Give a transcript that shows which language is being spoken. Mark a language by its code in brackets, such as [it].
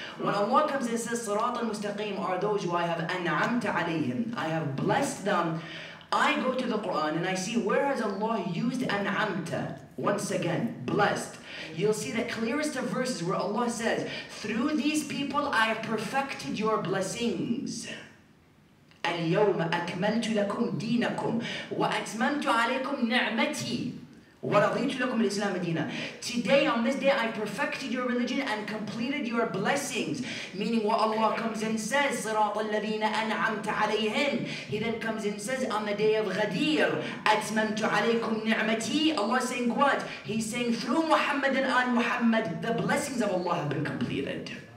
[en] When Allah comes and says, "Sirat al-mustaqim," are those who I have an'amta alayhim. I have blessed them. I go to the Quran and I see where has Allah used an'amta once again, blessed. You'll see the clearest of verses where Allah says, through these people I have perfected your blessings. [ar] اليوم أكملت لكم دينكم وأتممت عليكم نعمتي ورضيت لكم الإسلام دينا. [en] Today, on this day, I perfected your religion and completed your blessings. Meaning what Allah comes and says, [ar] صراط الذين أنعمت عليهم. [en] He then comes and says, on the day of غدير, [ar] أتممت عليكم نعمتي. [en] Allah is saying what? He's saying, through Muhammad and on Muhammad, the blessings of Allah have been completed.